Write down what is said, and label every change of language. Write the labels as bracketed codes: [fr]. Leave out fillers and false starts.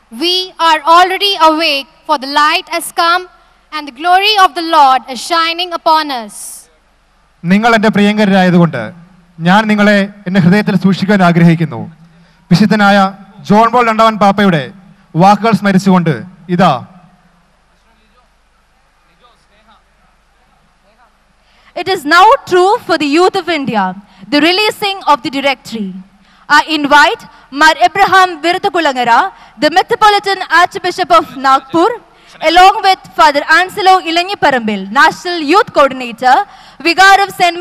[en] We are already awake, for the light has come and the glory of the Lord is shining upon us. [ml] നിങ്ങൾ എന്റെ പ്രിയങ്കരായതുകൊണ്ട് ഞാൻ നിങ്ങളെ എന്റെ ഹൃദയത്തിൽ സൂക്ഷിക്കാൻ ആഗ്രഹിക്കുന്നു. വിശുദ്ധനായ ജോൺ പോൾ രണ്ടാമൻ പാപ്പയുടെ വാക്കുകൾ സ്മരിച്ചുകൊണ്ട് ഇതാ. [en] It is now true for the youth of India, the releasing of the directory. I invite Mar Abraham Viruthukulangara, the Metropolitan Archbishop of Nagpur, along with Father Anselo Ilangiparambil, National Youth Coordinator, Vigar of St.